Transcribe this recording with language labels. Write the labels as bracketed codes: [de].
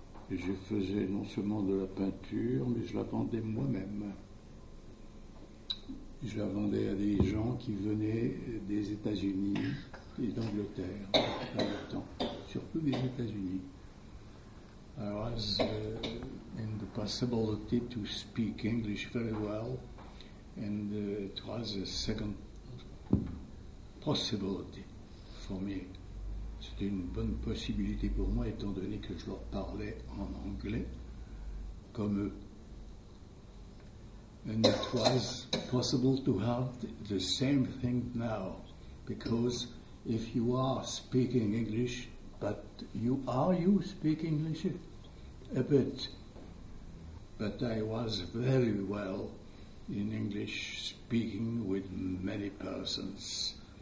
[fr] Et je faisais non seulement de la peinture, mais je la vendais moi-même. Je la vendais à des gens qui venaient des États-Unis et d'Angleterre, surtout des États-Unis. [en] I was in the possibility to speak English very well, and it was a second possibility for me. [fr] C'était une bonne possibilité pour moi, étant donné que je leur parlais en anglais, comme eux. [en] And it was possible to have the same thing now, because if you are speaking English, but you speak English a bit. But I was very well in English, speaking with many persons.